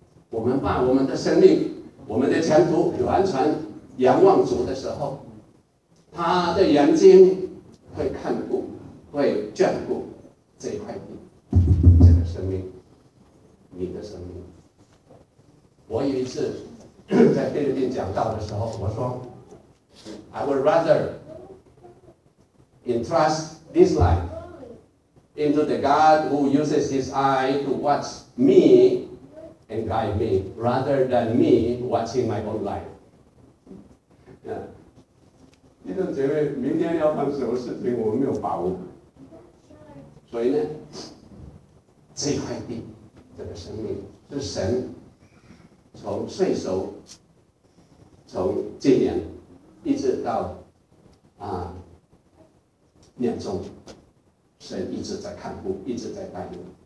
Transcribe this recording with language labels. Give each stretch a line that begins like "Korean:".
Chinese: 我们把我们的生命，我们的前途完全仰望主的时候，他的眼睛会看过，会眷顾这一块地，这个生命，你的生命。我有一次在菲律宾讲道的时候，我说
English: I would rather entrust this life into the God who uses his eye to watch me and guide me rather than me watching my own life.
Chinese: 弟兄姐妹，明天要办什么事情我们没有把握，所以呢，这块地，这个生命是神从岁首，从今年一直到年终，神一直在看顾，一直在带领。